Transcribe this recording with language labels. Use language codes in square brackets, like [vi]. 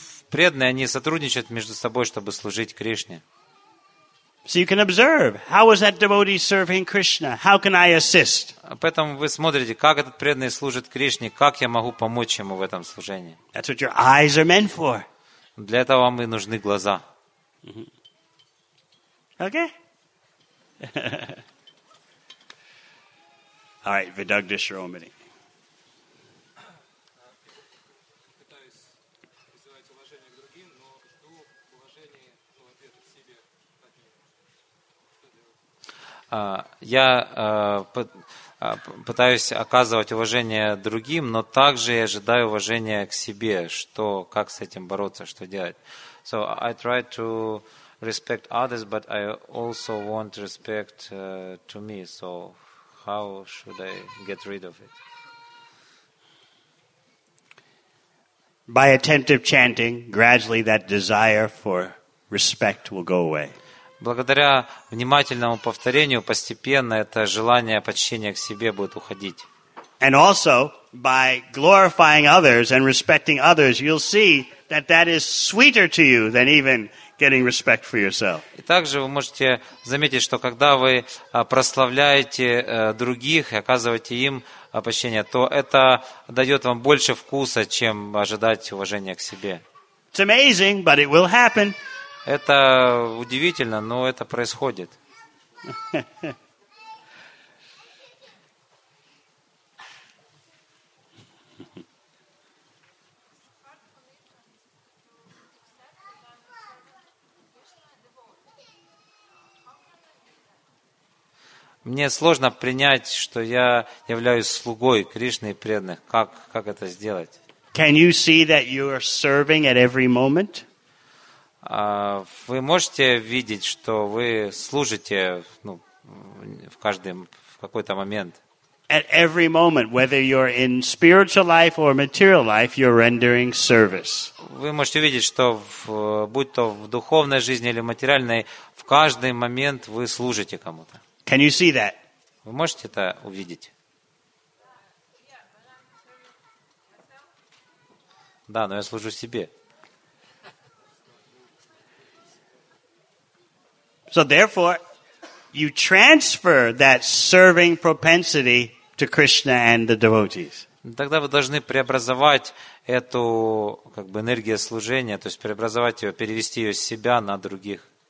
[ru] Преданные, они сотрудничают между собой, чтобы служить Кришне. [en] So you can observe how is that devotee serving Krishna? How can I assist? [ru] Поэтому вы смотрите, как этот преданный служит Кришне, как я могу помочь ему в этом служении. [en] That's what your eyes are meant for. [ru] Для этого вам и нужны глаза. [en] Okay. All right, Vidugda Shiromani. [ru] Я пытаюсь оказывать уважение другим, но также я ожидаю уважения к себе. Что, как с этим бороться, что делать? [en] So I try to respect others, but I also want respect to me. So how should I get rid of it? By attentive chanting, gradually that desire for respect will go away. [ru] Благодаря внимательному повторению постепенно это желание почтения к себе будет уходить. [en] And also by glorifying others and respecting others, you'll see that that is sweeter to you than even getting respect for yourself. [ru] И также вы можете заметить, что когда вы прославляете других и оказываете им почтение, то это дает вам больше вкуса, чем ожидать уважения к себе. [en] It's amazing, but it will happen. [ru] Это удивительно, но это происходит. Мне сложно принять, что я являюсь слугой Кришны и преданных. Как это сделать? [en] Can you see that you are serving at every moment? [ru] Вы можете видеть, что вы служите ну, в какой-то момент. [en] At every moment, whether you're in spiritual life or material life, you're rendering service. [ru] Вы можете видеть, что будь то в духовной жизни или материальной, в каждый момент вы служите кому-то. [en] Can you see that? [ru] Вы можете это увидеть? Да, но я служу себе. [en] So therefore, you transfer that serving propensity to Krishna and the devotees. [ru] Тогда вы должны преобразовать эту как бы энергию служения, то есть преобразовать ее, перевести ее с себя на других.